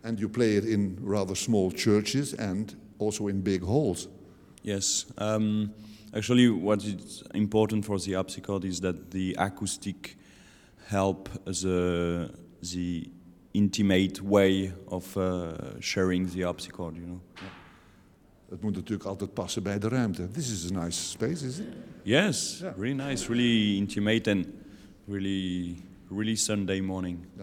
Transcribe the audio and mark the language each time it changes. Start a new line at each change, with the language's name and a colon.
English: And you play it in rather small churches and also in big halls. Yes. Actually, what is important for the harpsichord is that the acoustic help the intimate way of sharing the harpsichord, you know.
Dutch: Het moet natuurlijk altijd passen bij de ruimte.
English: This is a nice space, is it? Yes, yeah. Really nice, really intimate and really, really Sunday morning.